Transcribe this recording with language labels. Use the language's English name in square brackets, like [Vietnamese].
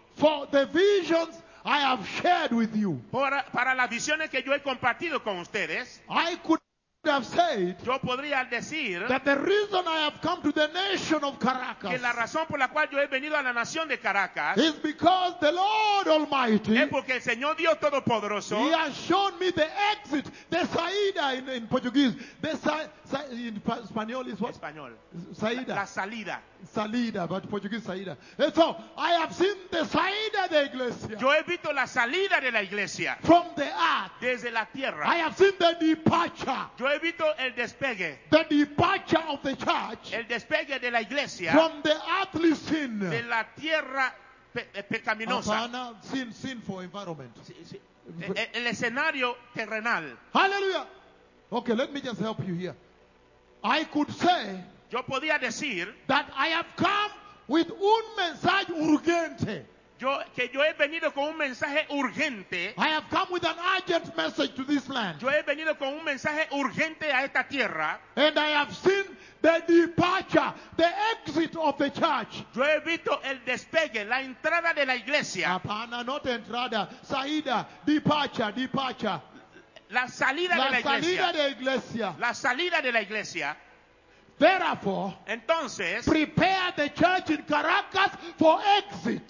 [English] For the visions I have shared with you. [Spanish] Para las visiones que yo he compartido con ustedes. [English] I could have said. [Spanish] Yo podría decir. [English] That the reason I have come to the nation of Caracas. [Spanish] Que la razón por la cual yo he venido a la nación de Caracas. [English] Is because the Lord Almighty. [Spanish] Es porque el Señor Dios Todopoderoso. [English] He has shown me the exit, the saída in Portuguese. The saída in español is what? [Spanish] Español. [Portuguese] Saída. [Spanish] La salida. [English] Salida, but Portuguese saída. And so I have seen the [Spanish] saída de iglesia. Yo he visto la salida de la iglesia. [English] From the earth. [Spanish] Desde la tierra. [English] I have seen the departure. [Spanish] Yo he visto el despegue. [English] The departure of the church. [Spanish] El despegue de la iglesia. [English] From the earthly sin. [Spanish] De la tierra pecaminosa. [English] Apana, sin for environment. [Spanish] Sí, sí. El escenario terrenal. [English] Hallelujah. Okay, let me just help you here. I could say. [Spanish] Yo podía decir. [English] That I have come with [Spanish] un mensaje urgente. Yo he venido con un mensaje urgente. [English] I have come with an urgent message to this land. [Spanish] Yo he venido con un mensaje urgente a esta tierra. [English] And I have seen the departure, the exit of the church. [Spanish] Yo he visto el despegue, la entrada de la iglesia. [English] Apana, not entrada, saída, departure. [Spanish] La salida de la iglesia. La salida de iglesia. La salida de la iglesia. [English] Therefore, [Spanish] entonces, [English] prepare the church in Caracas for exit.